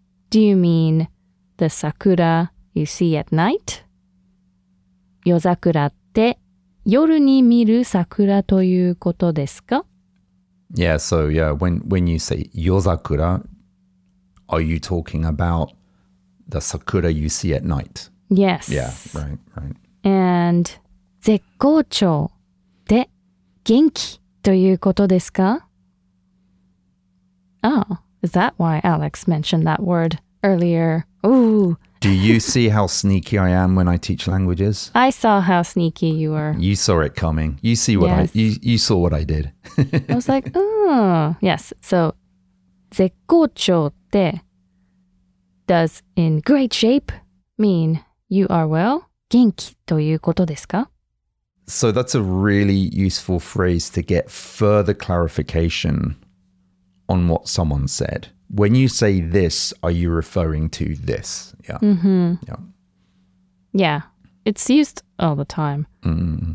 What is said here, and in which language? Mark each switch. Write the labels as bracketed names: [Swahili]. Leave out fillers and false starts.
[English] Do you mean the sakura you see at night? [Japanese] Yozakura って夜に見る sakura ということですか? [English] Yeah, so yeah, when you say yozakura, are you talking about the sakura you see at night? Yes. Yeah, right. [Japanese] And 絶好調で元気ということですか? [English] Oh, is that why Alex mentioned that word earlier? Ooh. Do you see how sneaky I am when I teach languages? I saw how sneaky you were. You saw it coming. You see what you saw what I did. I was like, oh, yes. So, 絶好調で does in great shape mean you are well? [Japanese] 元気ということですか? [English] So that's a really useful phrase to get further clarification on what someone said. When you say this, are you referring to this? Yeah. Mm-hmm. Yeah. Yeah. It's used all the time. Mm-hmm.